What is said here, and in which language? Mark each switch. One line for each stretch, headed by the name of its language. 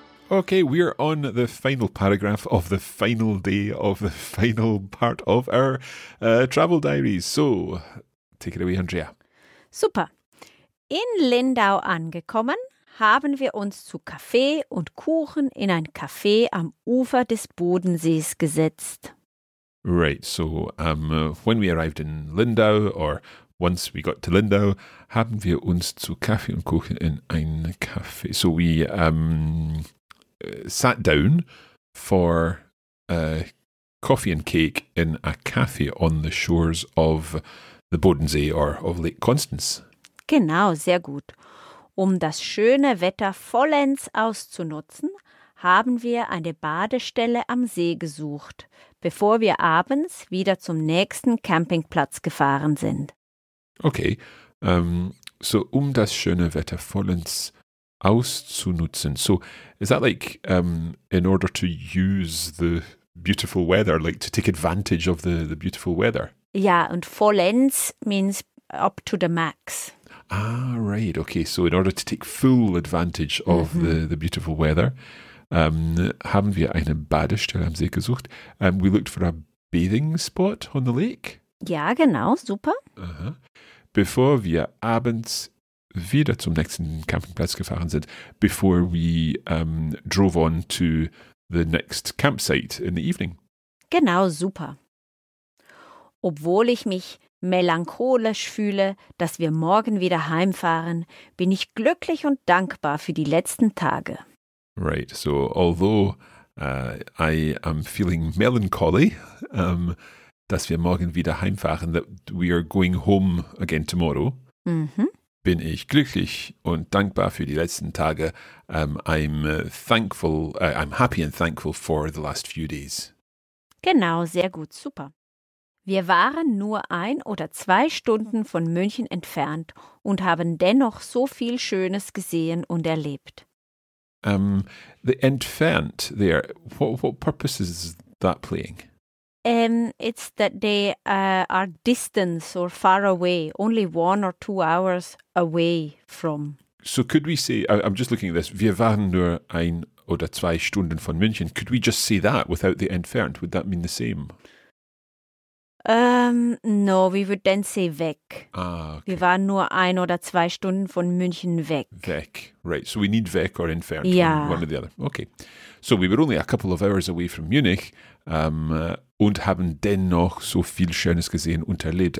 English: Okay, we're on the final paragraph of the final day of the final part of our travel diaries. So, take it away, Andrea.
German: Super. In Lindau angekommen, haben wir uns zu Kaffee und Kuchen in ein Café am Ufer des Bodensees gesetzt.
English: Right, so when we arrived in Lindau, or once we got to Lindau,
German: haben wir uns zu Kaffee und Kuchen in ein Café.
English: So we sat down for coffee and cake in a cafe on the shores of the Bodensee or of Lake Constance.
German: Genau, sehr gut. Um das schöne Wetter vollends auszunutzen, haben wir eine Badestelle am See gesucht, bevor wir abends wieder zum nächsten Campingplatz gefahren sind.
English: Okay, so
German: um das schöne Wetter vollends auszunutzen.
English: So, is that like in order to use the beautiful weather, like to take advantage of the beautiful weather? Yeah, and vollends means up to the max. Ah, right. Okay, so in order to take full advantage of the beautiful weather,
German: haben wir eine Badestelle am See gesucht.
English: We looked for a bathing spot on the lake.
German: Ja, genau. Super.
English: Bevor wir abends wieder zum nächsten Campingplatz gefahren sind, before we drove on to the next campsite in the evening.
German: Genau, super. Obwohl ich mich melancholisch fühle, dass wir morgen wieder heimfahren, bin ich glücklich und dankbar für die letzten Tage.
English: Right, so although I am feeling melancholy,
German: dass wir morgen wieder heimfahren,
English: that we are going home again tomorrow.
German: Bin ich glücklich und dankbar für die letzten Tage.
English: I'm happy and thankful for the last few days.
German: Genau, sehr gut, super. Wir waren nur ein oder zwei Stunden von München entfernt und haben dennoch so viel Schönes gesehen und erlebt.
English: The entfernt there, what purpose is that playing? It's that they are distant or far away, only 1 or 2 hours away from. So could we say, I'm just looking at this,
German: wir waren nur ein oder zwei Stunden von München.
English: Could we just say that without the entfernt? Would that mean the same? No, we would then say weg. Ah, okay.
German: Wir waren nur ein oder zwei Stunden von München weg.
English: Weg, right. So we need weg or entfernt. Yeah. One or the other. Okay. So we were only a couple of hours away from Munich.
German: Und haben dennoch so viel Schönes gesehen und erlebt.